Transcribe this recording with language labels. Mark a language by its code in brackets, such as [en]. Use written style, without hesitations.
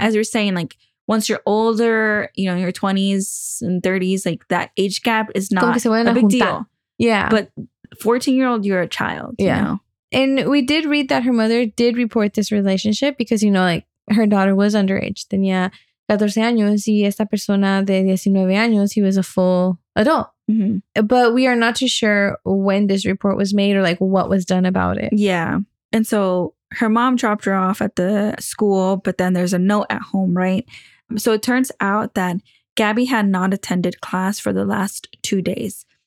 [en] As you're saying, like, once you're older, you know, in your 20s and 30s, like, that age gap is not a big juntar. Deal. Yeah. But 14-year-old, you're a child. Yeah. You know? And we did read that her mother did report this relationship because, you know, like, her daughter was underage. [es] Tenía 14 años y esta persona de 19 años, [en] he was a full adult. Mm-hmm. But we are not too sure when this report was made or like what was done about it. Yeah. And so her mom dropped her off at the school, but then there's a note at home, right? So it turns out that Gabby had not attended class for the last 2 days.